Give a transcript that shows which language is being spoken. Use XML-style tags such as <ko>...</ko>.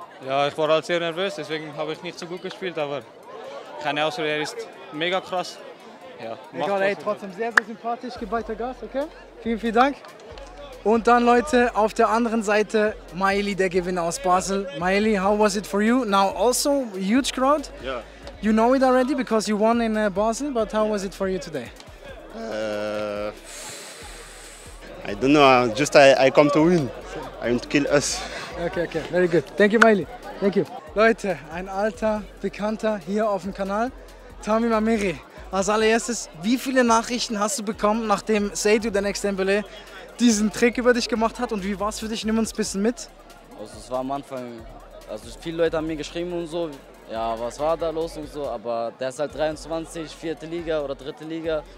<de>Ja, ich war halt sehr nervös, deswegen habe ich nicht so gut gespielt, aber keine Ausrede, er ist mega krass. Ja, egal, ey, trotzdem sehr, sehr sympathisch, gib weiter Gas, okay? Vielen, vielen Dank. Und dann, Leute, auf der anderen Seite, Miley, der Gewinner aus Basel.</de> <en>Miley, how was it for you? Now also, huge crowd.</en> <de>Ja.</de> <en>You know it already because you won in Basel, but how was it for you today? I don't know, just I come to win. I want to kill us. Okay, very good. Thank you, Miley. Thank you.</en> <de>Leute, ein alter Bekannter hier auf dem Kanal, Tammy Mameri. Als allererstes, wie viele Nachrichten hast du bekommen, nachdem Seydou der Next Dembélé diesen Trick über dich gemacht hat? Und wie war es für dich? Nimm uns ein bisschen mit. Also es war am Anfang, also viele Leute haben mir geschrieben und so, ja, was war da los und so, aber der ist halt 23, vierte Liga oder dritte Liga.</de>